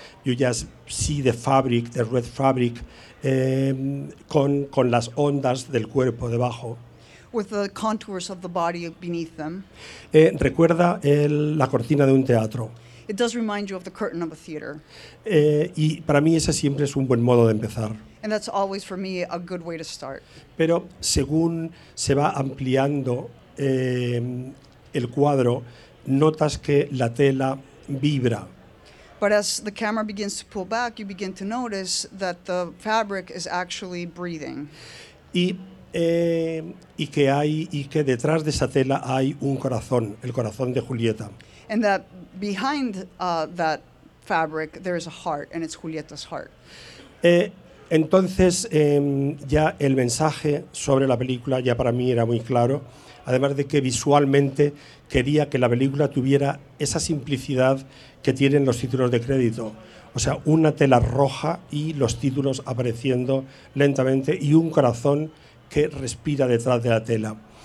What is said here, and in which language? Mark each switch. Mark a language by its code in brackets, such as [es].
[en] You just see the fabric, the red fabric, [es] con las ondas del cuerpo debajo. [en] With the contours of the body beneath them. [es] Recuerda la cortina de un teatro. [en] It does remind you of the curtain of a theater. [es] Y para mí ese siempre es un buen modo de empezar. [en] And that's always for me a good way to start. [es] Pero según se va ampliando el cuadro, notas que la tela vibra. [en] But as the camera begins to pull back, you begin to notice that the fabric is actually breathing. [es] Y que detrás de esa tela hay un corazón, el corazón de Julieta. [en] And that behind that fabric there is a heart, and it's Julieta's heart. [es] Entonces ya el mensaje sobre la película ya para mí era muy claro. Además de que visualmente quería que la película tuviera esa simplicidad que tienen los títulos de crédito. O sea, una tela roja y los títulos apareciendo lentamente y un corazón que respira detrás de la tela.